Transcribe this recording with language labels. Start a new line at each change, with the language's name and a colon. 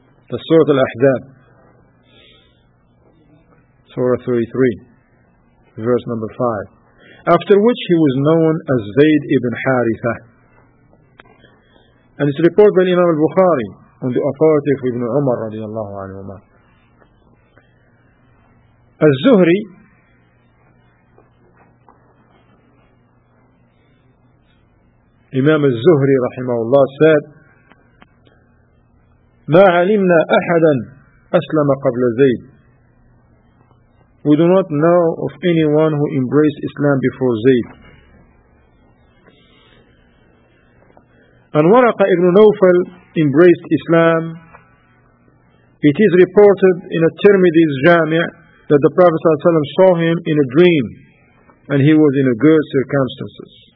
English: The Surah Al-Ahzab, Surah 33, verse 5. After which he was known as Zayd ibn Haritha. And it's reported by Imam al-Bukhari on the authority of Ibn Umar radiallahu anhuma.
Arabic: Al-Zuhri Imam Al-Zuhri rahimahullah said, ما علمنا أحدا أسلم قبل زيد.
English: We do not know of anyone who embraced Islam before Zayd. And Waraqa ibn Nawfal embraced Islam. It is reported in a Tirmidhi's Jami' that the Prophet ﷺ saw him in a dream, and he was in a good circumstances.